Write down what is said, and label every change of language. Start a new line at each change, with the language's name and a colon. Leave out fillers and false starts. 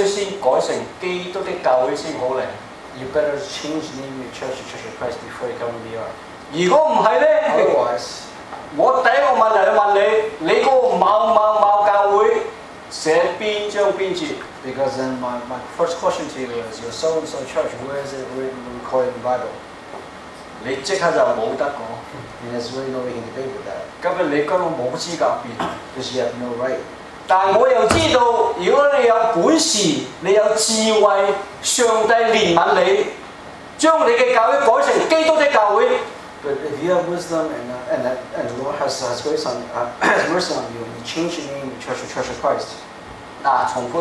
Cantonese: 你嘅教会必须先改成基督的教会先好嚟
English: You better change the name of your church to Church of Christ before you come to New York.
Cantonese: 如果唔系咧
English: Otherwise.
Cantonese: 我第一个问题就问你，你嗰个某教会。写边章边节
English: Because then my first question to you is your so-and-so church, where is it recorded in the Bible?
Cantonese: 你即刻就冇得讲
English: And there's really no way you can debate with that.
Cantonese: 今日你根本冇资格辩
English: Because you have no right.
Cantonese: 但我又知道，如果你有本事，你有智慧，上帝怜悯你，将你嘅教会改成基督的教会。
English: But if you have wisdom and the Lord has mercy on you, and you change your name, church to Church of Christ.